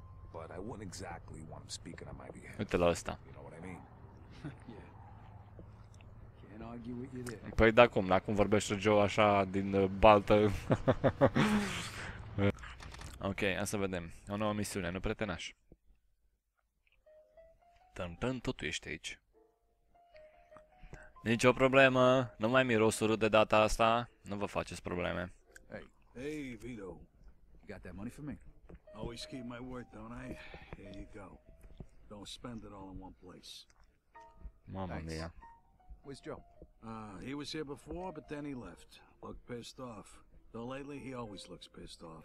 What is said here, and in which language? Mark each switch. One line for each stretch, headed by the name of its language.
English: But I wouldn't exactly want him speaking on my behalf.
Romanian: Uite la ăsta.
English: You know what I mean? Yeah. Can't argue with you there.
Romanian: Păi da cum, la cum vorbește Joe așa din baltă. Ok, hai să vedem. O nouă misiune, nu prietenaș. Tam, tot tu ești aici. Nicio problemă, nu mai miros urât de data asta, nu vă faceți probleme.
English: Hey, hey Vito. You got that money for me? Always keep my word, don't I? Here you go. Don't spend it all in one place.
Italian: Mamma mia.
English: Where's Joe? He was here before, but then he left. Looked pissed off. Though lately, he always looks pissed off.